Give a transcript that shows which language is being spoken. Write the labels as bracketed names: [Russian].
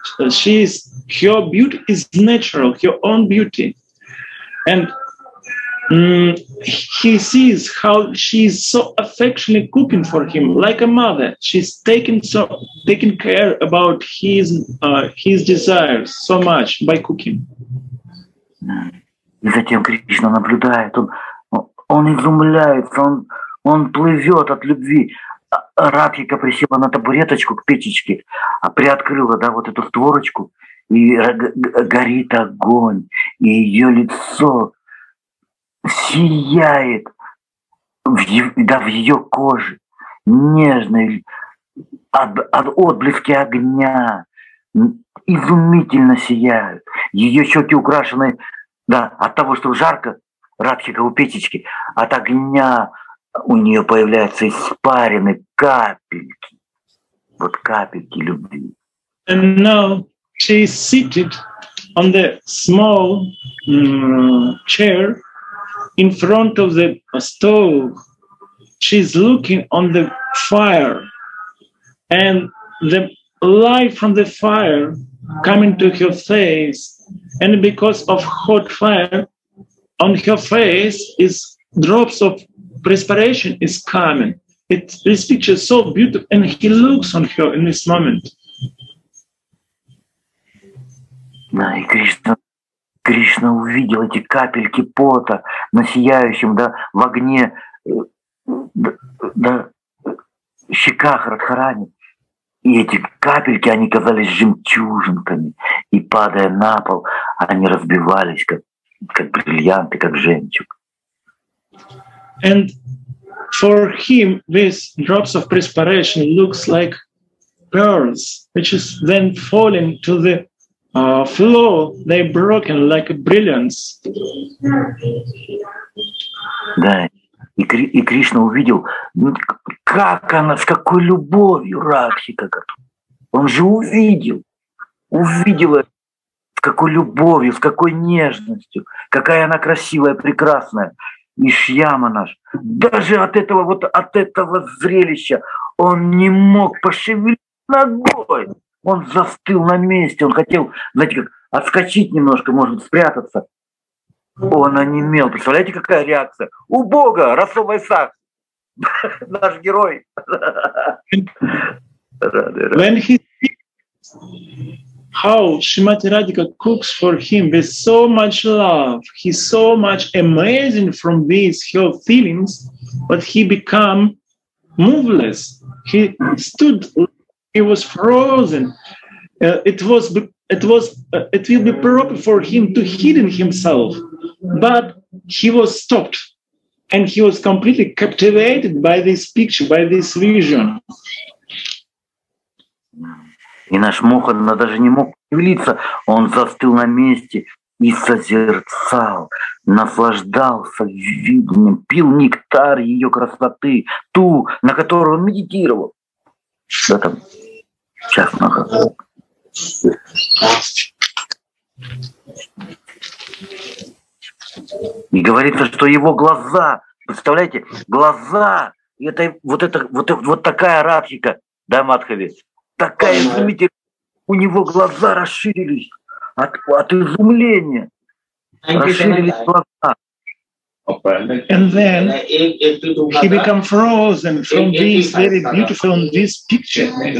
[English] She is, her beauty is natural, her own beauty. And he sees how she is so affectionately cooking for him, like a mother. She's taking care about his desires so much by cooking. [Russian] И затем Кришна наблюдает, он изумляется, он плывет от любви. Радхика присела на табуреточку к печечке, приоткрыла, да, вот эту створочку, и горит огонь, и ее лицо сияет в ее коже, нежный от отблески огня, изумительно сияют. Ее щеки украшены, да, от того, что жарко, Радхика у печечки, от огня у нее появляются испарины, капельки, вот капельки любви. [English] And now she is seated on the small chair in front of the stove. She's looking on the fire, and the light from the fire coming to her face, and because of hot fire, on her face is drops of perspiration is coming. This picture is so beautiful, and he looks on her in this moment. [Russian] Да, и Кришна увидел эти капельки пота на сияющем, да, в огне, да, щеках Радхарани. И эти капельки, они казались жемчужинками, и падая на пол, они разбивались, как бриллианты, как жемчуг. [English] And for him, these drops of perspiration looks like pearls, which is then falling to the floor. They broken like a brilliance. [Russian] Да, и Кришна увидел, как она, с какой любовью Радхика готова. Он же увидел это. С какой любовью, с какой нежностью, какая она красивая, прекрасная, и Шьяма наш. Даже от этого зрелища он не мог пошевелить ногой. Он застыл на месте, он хотел, знаете, как отскочить немножко, может, спрятаться. Он онемел. Представляете, какая реакция? У Бога, Расовый Сах, наш герой. [English] How Srimati Radhika cooks for him with so much love, he's so much amazing from these her feelings, but he become moveless. He stood, he was frozen. It will be proper for him to hidden himself, but he was stopped, and he was completely captivated by this picture, by this vision. [Russian] И наш Мохана даже не мог шевелиться, он застыл на месте и созерцал, наслаждался видением, пил нектар ее красоты, ту, на которую он медитировал. Что там? Сейчас много. И говорится, что его глаза, представляете, глаза, это вот такая Радхика, да, Мадхави? Такая изумительная. У него глаза расширились от изумления. Расширились глаза. [English] And then he become frozen from this very beautiful from this picture.